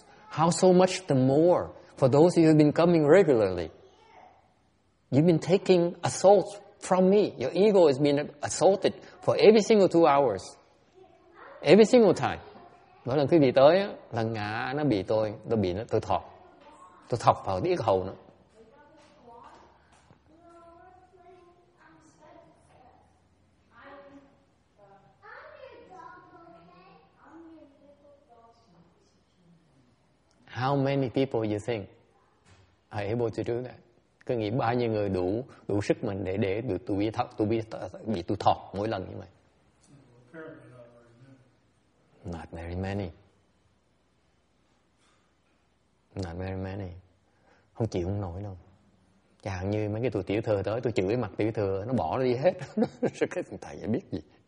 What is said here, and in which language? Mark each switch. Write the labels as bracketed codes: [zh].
[en] How so much the more for those who have been coming regularly. You've been taking assault from me. Your ego has been assaulted for every single 2 hours. Every single time. [vi] Mỗi lần quý vị tới, là ngã nó bị tôi thọc. Tôi thọc vào cái hầu nó. [en] How many people you think are able to do that? [vi] Cứ nghĩ bao nhiêu người đủ sức mình để được tôi bị thọc mỗi lần như vậy. [en] Not very many. [vi] Không chịu không nổi đâu. Chẳng như mấy cái tụi tiểu thừa tới, tôi chửi mặt tiểu thừa, nó bỏ nó đi hết. Cái thằng thầy ấy biết gì.